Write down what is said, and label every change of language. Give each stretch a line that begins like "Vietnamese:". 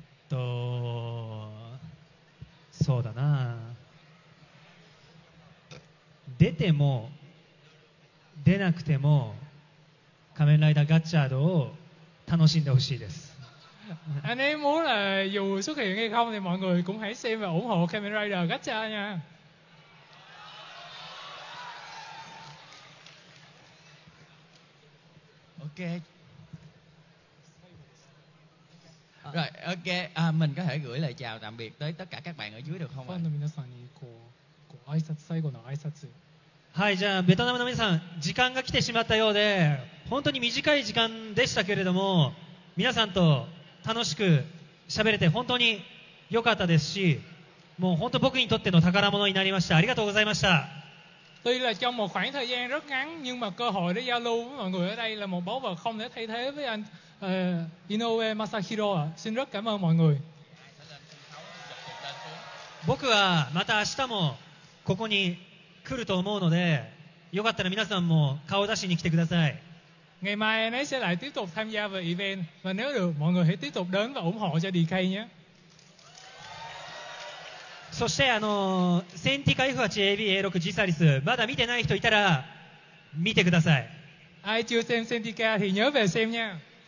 Japanese: そうだな、出ても出なくても仮面ライダーガッチャードを楽しんでほしいです。
Vietnamese: anh ấy muốn là dù xuất hiện hay không thì mọi người cũng hãy xem và ủng hộ仮面ライダーガッチャー nha。 OK。 Rồi, OK, à, mình có thể gửi lời chào tạm biệt tới tất cả các bạn ở dưới được không ạ?
Japanese: Fan の皆さんにこう挨拶、最後の挨拶。はい、じゃあベトナムの皆さん、時間が来てしまったようで、本当に短い時間でしたけれども、皆さんと楽しく喋れて本当に良かったですし、もう本当僕にとっての宝物になりました。ありがとうございました。
Vietnamese: Tuy là trong một khoảng thời gian rất ngắn, nhưng mà cơ hội để giao lưu với mọi người ở đây là một báu vật không thể thay thế với anh. Inoue Masahiro ạ, xin rất cảm ơn mọi người.
Japanese: 僕はまた明日もここに来ると思うので、よかったら皆さんも顔出しに来てください。
Vietnamese: Ngày mai anh ấy sẽ lại tiếp tục tham gia vào event, và nếu được mọi người hãy tiếp tục đến và ủng hộ cho DK nhé.
Japanese: そしてセンティカ F8ABA6 ジサリス、まだ見てない人いたら見てください。
Vietnamese: Ai chưa xem センティカ thì nhớ về xem nha。